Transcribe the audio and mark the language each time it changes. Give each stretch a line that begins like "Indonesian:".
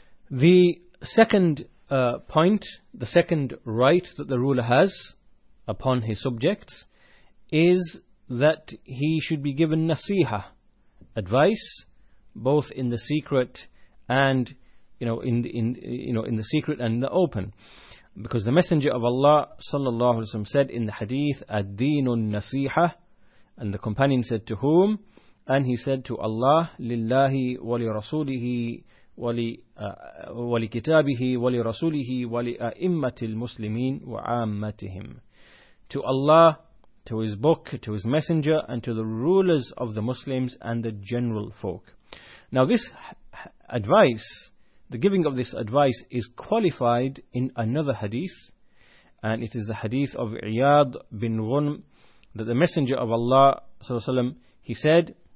English: The second point, the second right that the ruler has upon his subjects, is that he should be given nasiha, advice, both in the secret and, you know, in the secret and the open. Because the Messenger of Allah sallallahu alaihi wasallam said in the hadith,
Arabic: "Ad-deenun nasiha,"
English: and the companion said, "To whom?" And he said, "To Allah,
Arabic: lillahi wa li rasulihi ولكتابه ولرسوله ولأئمة المسلمين وعامتهم.
English: To Allah, to His Book, to His Messenger, and to the rulers of the Muslims and the general folk. Now this advice, the giving of this advice is qualified in another hadith, and it is the hadith of Iyad bin Ghunm, that the Messenger of Allah, sallallahu alayhi wa sallam, he said,